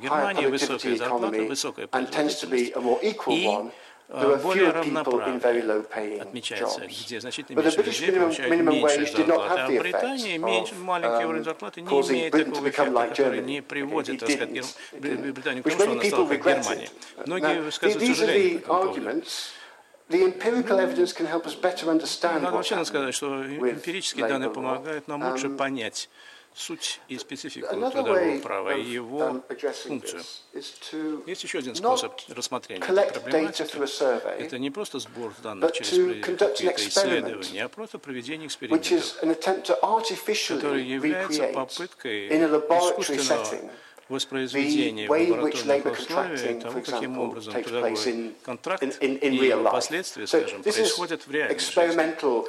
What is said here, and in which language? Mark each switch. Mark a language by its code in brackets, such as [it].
[ru] В Германии высокая зарплата, высокая производительность и более равноправие отмечается, где значительно меньше людей получают меньшую зарплату. А в Британии маленький уровень зарплаты не имеет такого эффекта, который не приводит, так сказать, Британию к тому, что она стала как Германия. Многие высказывают сожаление по этому поводу. [en] The empirical evidence can help us better understand. [ru] Надо вообще сказать, что эмпирические данные помогают нам лучше понять суть и специфику трудового права и его функцию. Есть еще один способ рассмотрения этой проблематики. Это не просто сбор данных через какие-то исследования, а просто проведение экспериментов, который является попыткой искусственного воспроизведения в лабораторных условиях того, каким образом трудовой контракт и последствия, скажем, происходят в реальной жизни.